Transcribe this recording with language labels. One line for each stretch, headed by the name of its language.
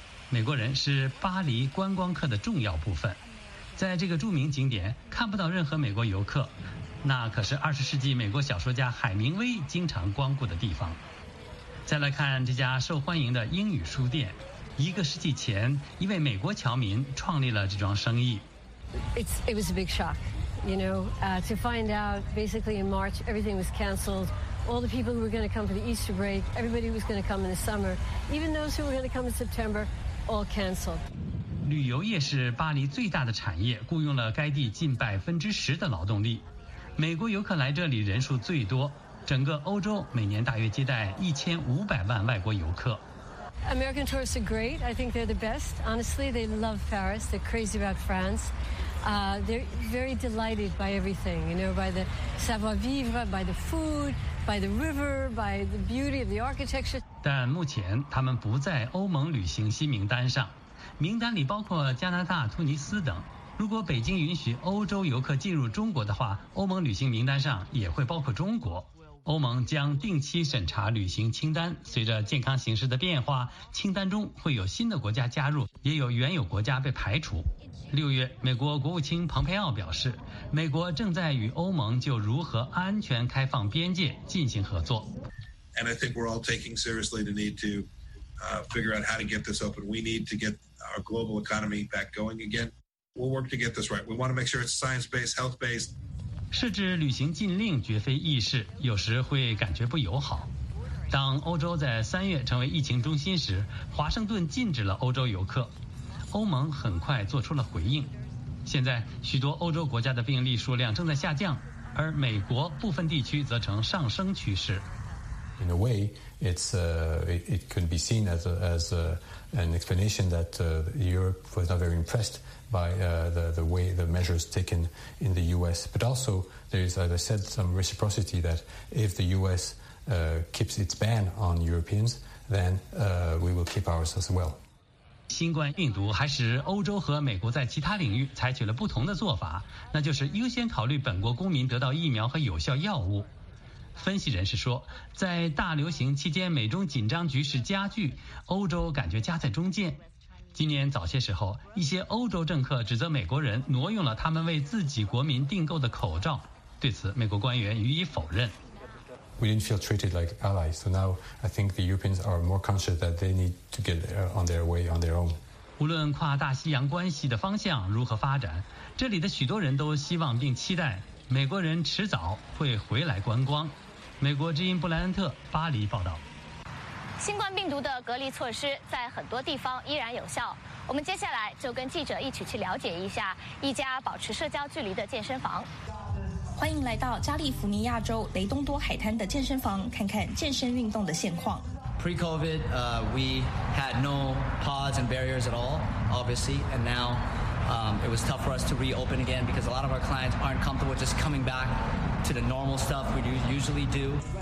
Chinese: 美国人是巴黎观光客的重要部分，在这个著名景点看不到任何美国游客，那可是20世纪美国小说家海明威经常光顾的地方。再来看这家受欢迎的英语书店，一个世纪前，一位美国侨民创立了这桩生意。
English: It was a big shock, you know, to find out basically in March everything was canceled. All the people who were going to come for the Easter break, everybody who was going to come in the summer, even those who were going to come in September, all canceled.
Chinese: 旅游业是巴黎最大的产业，雇佣了该地近10%的劳动力。美国游客来这里人数最多，整个欧洲每年大约接待1500万外国游客。
English: American tourists are great. I think they're the best. Honestly, they love Paris. They're crazy about France. They're very delighted by everything, you know, by the savoir vivre, by the food, by the river, by the beauty of the architecture.
Chinese: 但目前他们不在欧盟旅行新名单上，名单里包括加拿大、突尼斯等。如果北京允许欧洲游客进入中国的话，欧盟旅行名单上也会包括中国。欧盟将定期审查旅行清单，随着健康形势的变化，清单中会有新的国家加入，也有原有国家被排除。六月，美国国务卿蓬佩奥表示，美国正在与欧盟就如何安全开放边界进行合作。
English: And I think we're all taking seriously the need to figure out how to get this open. We need to get our global economy back going again. We'll work to get this right. We want to make sure it's science-based, health-based.
Chinese: 设置旅行禁令绝非易事，有时会感觉不友好。当欧洲在3月成为疫情中心时，华盛顿禁止了欧洲游客，欧盟很快做出了回应。现在许多欧洲国家的病例数量正在下降，而美国部分地区则呈上升趋势。
English: In a way, it could be seen as an explanation that Europe was not very impressed. By the way the measures taken in the U.S. But also there is, as I said, some reciprocity that if the U.S. Keeps its ban on Europeans, then we will keep ours as well.
Chinese: 新冠病毒还使欧洲和美国在其他领域采取了不同的做法，那就是优先考虑本国公民得到疫苗和有效药物。分析人士说，在大流行期间，美中紧张局势加剧，欧洲感觉夹在中间。今年早些时候，一些欧洲政客指责美国人挪用了他们为自己国民订购的口罩。对此，美国官员予以否认。
English: We didn't feel treated like allies, so now I think the Europeans are more conscious that they need to get on their way on their own.
Chinese: 无论跨大西洋关系的方向如何发展，这里的许多人都希望并期待美国人迟早会回来观光。美国之音布莱恩特，巴黎报道。新冠病毒的隔离措施在很多地方依然有效，我们接下来就跟记者一起去了解一下一家保持社交距离的健身房。欢迎来到加利福尼亚州雷东多海滩的健身房，看看健身运动的现况。
English: Pre-COVID, we had no pods and barriers at all, obviously, and now, it was tough for us to reopen again because a lot of our clients aren't comfortable just coming back to the normal stuff we usually do.